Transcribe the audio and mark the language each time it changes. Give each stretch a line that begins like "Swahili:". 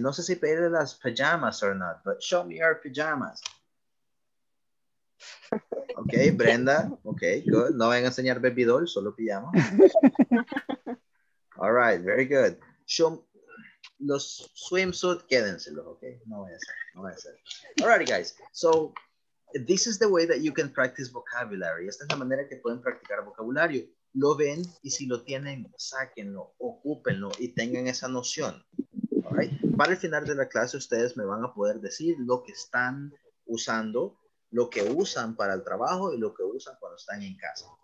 Spanish: No sé si pedirle las
English: pajamas or not, but show me your pajamas.
Spanish: Okay, Brenda.
English: Okay, good.
Spanish: No vayan a enseñar baby doll, solo pijama.
English: All right, very good. Los swimsuit,
Spanish: quédenselo,
English: okay?
Spanish: No voy a hacer, no voy a hacer.
English: Alrighty, guys. So, this is the way that you can practice vocabulary.
Spanish: Esta es la manera que pueden practicar vocabulario. Lo ven y si lo tienen, sáquenlo, ocúpenlo y tengan esa noción. Alright? Para el final de la clase, ustedes me van a poder decir lo que están usando, lo que usan para el trabajo y lo que usan cuando están en casa.